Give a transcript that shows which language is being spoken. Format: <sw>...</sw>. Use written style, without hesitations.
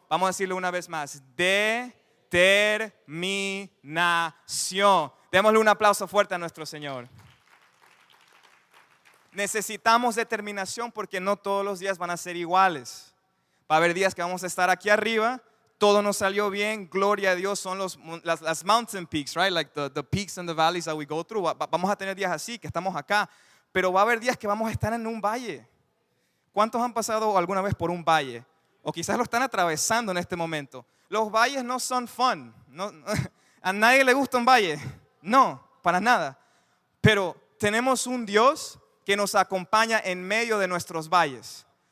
<es>Vamos a decirlo una vez más, determinación. Démosle un aplauso fuerte a nuestro Señor. Necesitamos determinación porque no todos los días van a ser iguales. Va a haber días que vamos a estar aquí arriba, todo nos salió bien, gloria a Dios, son las</es> <en>mountain peaks, right? Like the peaks and the valleys that we go through.</en> <es>Vamos a tener días así, que estamos acá. Pero va a haber días que vamos a estar en un valle. ¿Cuántos han pasado alguna vez por un valle? O quizás lo están atravesando en este momento. Los valles no son fun. No, a nadie le gusta un valle. No, para nada. Pero tenemos un Dios que nos acompaña en medio de nuestros valles.</es>